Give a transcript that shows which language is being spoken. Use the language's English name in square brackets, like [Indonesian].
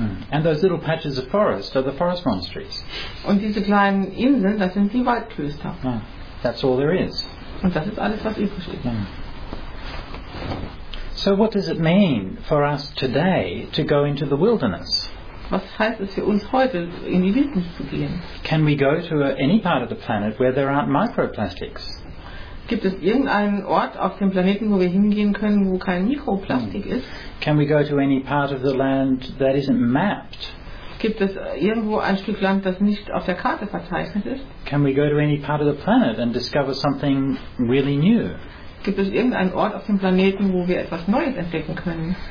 [English] And those little patches of forest are the forest monasteries. [German] Und diese kleinen Inseln, das sind die Waldklöster. [English] Yeah. That's all there is. [German] Und das ist alles, was übrig ist. [English] Yeah. So what does it mean for us today to go into the wilderness? [German] Was heißt es für uns heute, in die Wildnis zu gehen? [English] Can we go to any part of the planet where there aren't microplastics? [German] Gibt es irgendeinen Ort auf dem Planeten, wo wir hingehen können, wo kein Mikroplastik ist? [English] Can we go to any part of the land that isn't mapped? [German] Gibt es irgendwo ein Stück Land, das nicht auf der Karte verzeichnet ist? [English] Can we go to any part of the planet and discover something really new? [German] Gibt es irgendeinen Ort auf dem Planeten, wo wir etwas Neues entdecken können?